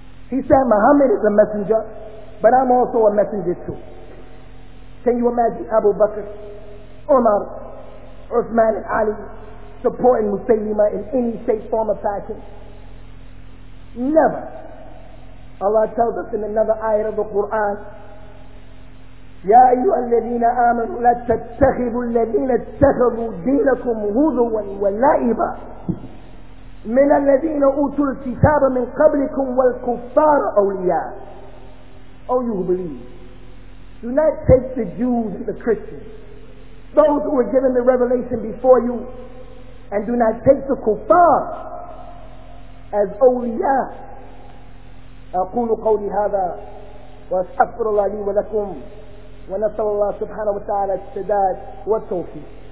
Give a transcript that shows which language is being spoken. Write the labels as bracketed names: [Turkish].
[English] He said, Muhammad is a messenger, but I'm also a messenger too. Can you imagine Abu Bakr, Umar, Uthman, and Ali supporting Musaylima in any shape, form, or fashion? Never. [Arabic] Allah tells us in another ayah of the Quran, يا أيها الذين آمنوا لا تتخذوا الذين اتخذوا دينكم هزوا ولعبا من الذين أوتوا الكتاب من قبلكم والكفار أولياء. [English] Oh you who believe, do not take the Jews and the Christians, those who were given the revelation before you, and do not take the kuffar as أولياء. [Arabic] أقول قولي هذا وأستغفر الله لي ولكم ونسأل الله سبحانه وتعالى السداد والتوفيق.